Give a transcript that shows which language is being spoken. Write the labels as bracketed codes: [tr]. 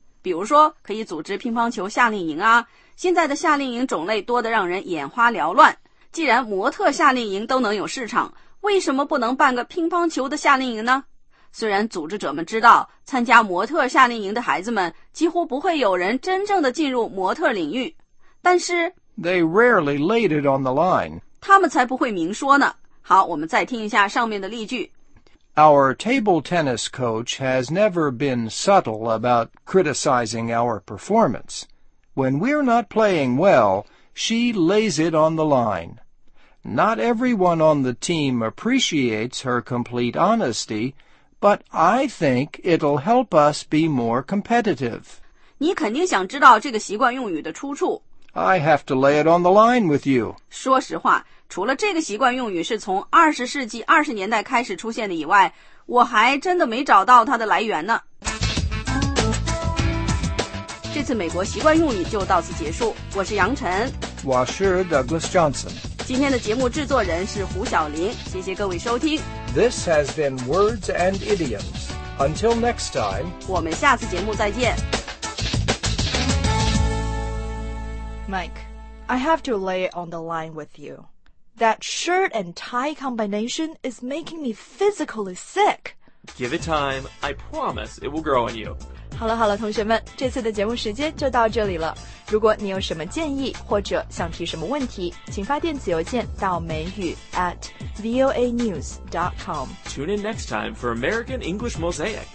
[zh] 比如说可以组织乒乓球夏令营啊，现在的夏令营种类多得让人眼花缭乱。既然模特夏令营都能有市场，为什么不能办个乒乓球的夏令营呢？虽然组织者们知道，参加模特夏令营的孩子们几乎不会有人真正的进入模特领域，但是 [en] They rarely laid it on the line. [zh] 他们才不会明说呢。好，我们再听一下上面的例句。 [en] Our table tennis coach has never been subtle about criticizing our performance. When we're not playing well, she lays it on the line. Not everyone on the team appreciates her complete honesty, but I think it'll help us be more competitive. [zh] 你肯定想知道这个习惯用语的出处。 [en] I have to lay it on the line with you. [zh] 说实话，除了这个习惯用语是从20世纪20年代开始出现的以外，我还真的没找到它的来源呢。这次美国习惯用语就到此结束，我是杨晨，我是 Douglas Johnson。今天的节目制作人是胡晓林，谢谢各位收听。 [en] This has been Words and Idioms. Until next time. [zh] 我们下次节目再见。 [en] Mike, I have to lay it on the line with you. That shirt and tie combination is making me physically sick. Give it time. I promise it will grow on you. [zh] 好了好了，同学们，这次的节目时间就到这里了。如果你有什么建议或者想提什么问题，请发电子邮件到美语 @voanews.com. [en] Tune in next time for American English Mosaic.